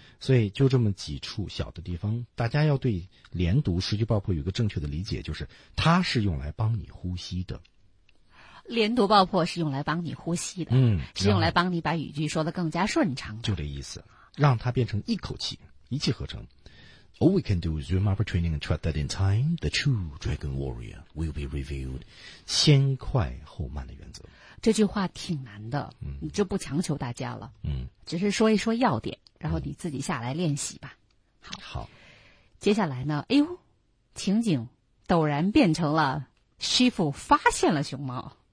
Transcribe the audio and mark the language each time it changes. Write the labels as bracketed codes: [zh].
[zh] 所以就这么几处小的地方，大家要对连读失去爆破有一个正确的理解，就是它是用来帮你呼吸的。连读爆破是用来帮你呼吸的，是用来帮你把语句说得更加顺畅的。就这意思，让它变成一口气，一气呵成。 [en] All we can do is resume our training and trust that in time, the true dragon warrior will be revealed. [zh] 先快后慢的原则。这句话挺难的，你就不强求大家了。只是说一说要点，然后你自己下来练习吧。好。接下来呢，哎呦，情景陡然变成了师傅发现了熊猫。